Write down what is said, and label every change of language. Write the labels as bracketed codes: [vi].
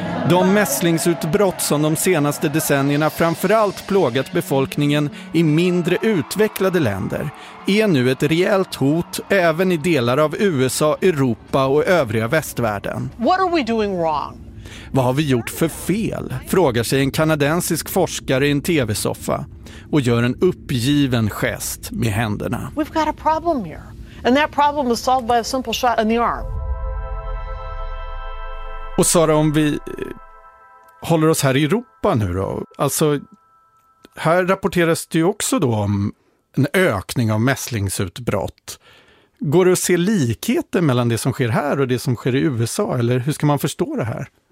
[sv] De mässlingsutbrott som de senaste decennierna framförallt plågat befolkningen i mindre utvecklade länder är nu ett rejält hot även i delar av USA, Europa och övriga västvärlden. [en] What are we doing wrong? [sv] Vad har vi gjort för fel? Frågar sig en kanadensisk forskare i en tv-soffa och gör en uppgiven gest med händerna. [en] We've got a problem here. And that problem was solved by a simple shot in the arm. [sv] Och Sara, om vi håller oss här i Europa nu då, alltså här rapporteras det ju också då om en ökning av mässlingsutbrott. Går det att se likheter mellan det som sker här och det som sker i USA, eller hur ska man förstå det här?